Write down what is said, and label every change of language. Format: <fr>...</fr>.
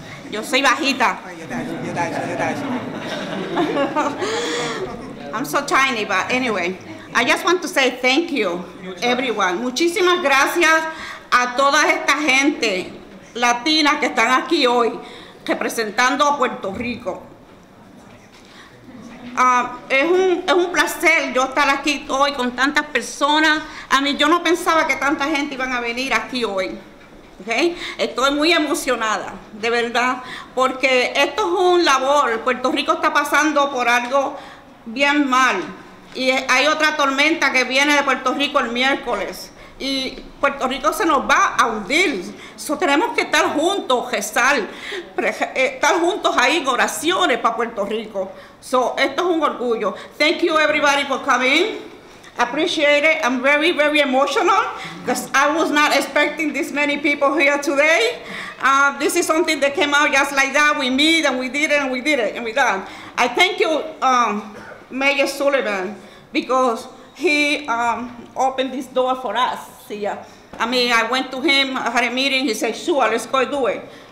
<es>Yo soy bajita.</es> <en>I'm so tiny, but anyway, I just want to say thank you, everyone.</en> <es>Muchísimas gracias a toda esta gente latina que están aquí hoy representando a Puerto Rico. Es un placer yo estar aquí hoy con tantas personas. A mí yo no pensaba que tanta gente iban a venir aquí hoy. Okay. Estoy muy emocionada, de verdad, porque esto es un labor. Puerto Rico está pasando por algo bien mal. Y hay otra tormenta que viene de Puerto Rico el miércoles. Y Puerto Rico se nos va a hundir. So, tenemos que estar juntos, rezar, estar juntos ahí en oraciones para Puerto Rico.</es> <en>So,</en> <es>esto es un orgullo.</es> <en>Thank you everybody for coming. Appreciate it. I'm very, very emotional because I was not expecting this many people here today. This is something that came out just like that. We meet and we did it and we did it and we done. I thank you, Mayor Sullivan, because he opened this door for us. See, I mean, I went to him, I had a meeting. He said, sure, let's go do it.</en>